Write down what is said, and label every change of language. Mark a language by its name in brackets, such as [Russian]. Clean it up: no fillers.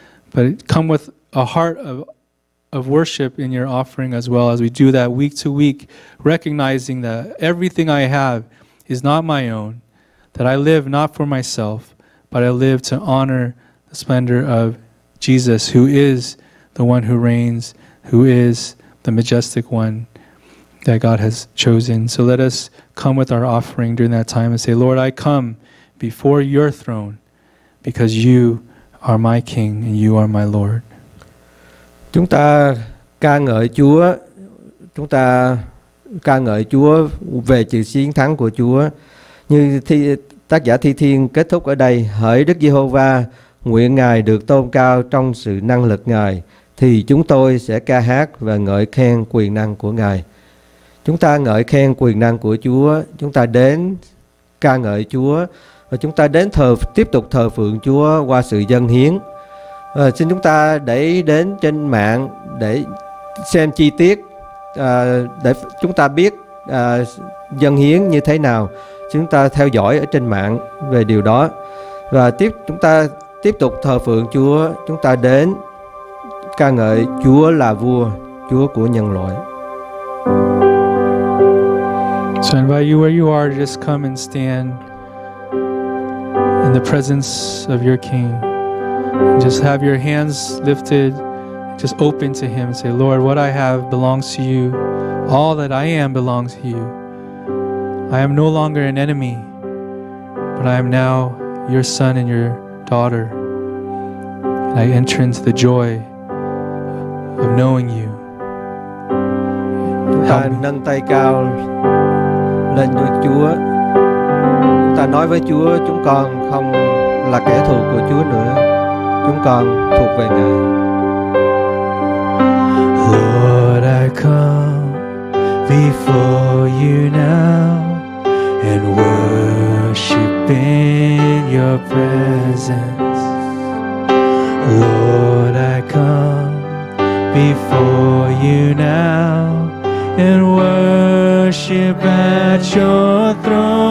[English] But come with a heart of worship in your offering as well, as we do that week to week, recognizing that everything I have is not my own, that I live not for myself, but I live to honor the splendor of Jesus, who is the one who reigns, who is the majestic one that God has chosen. So let us come with our offering during that time and say, "Lord, I come before your throne because you are my King and you are my Lord." [Vietnamese] Chúng ta ca ngợi Chúa, chúng ta ca ngợi Chúa về sự chiến thắng của Chúa. Như tác giả Thi Thiên kết thúc ở đây: "Hỡi Đức Giê-hô-va, nguyện Ngài được tôn cao trong sự năng lực Ngài, thì chúng tôi sẽ ca hát và ngợi khen quyền năng của Ngài." Chúng ta ngợi khen quyền năng của Chúa, chúng ta đến ca ngợi Chúa, và chúng ta đến tiếp tục thờ phượng Chúa qua sự dâng hiến. Xin chúng ta để ý đến trên mạng để xem chi tiết, để chúng ta biết dâng hiến như thế nào. Chúng ta theo dõi ở trên mạng về điều đó. Và chúng ta tiếp tục thờ phượng Chúa, chúng ta đến ca ngợi Chúa là vua, Chúa của nhân loại. [English] So I invite you where you are, just come and stand in the presence of your King. Just have your hands lifted, just open to Him and say, "Lord, what I have belongs to you. All that I am belongs to you. I am no longer an enemy, but I am now your son and your daughter. And I enter into the joy of knowing you." [Vietnamese] Ta nâng tay cao lên với Chúa. Ta nói với Chúa, chúng con không là kẻ thù của Chúa nữa. Chúng con thuộc về Ngài. [English] Lord, I come before you now and worship in your presence. Lord, I come before you now and worship at your throne.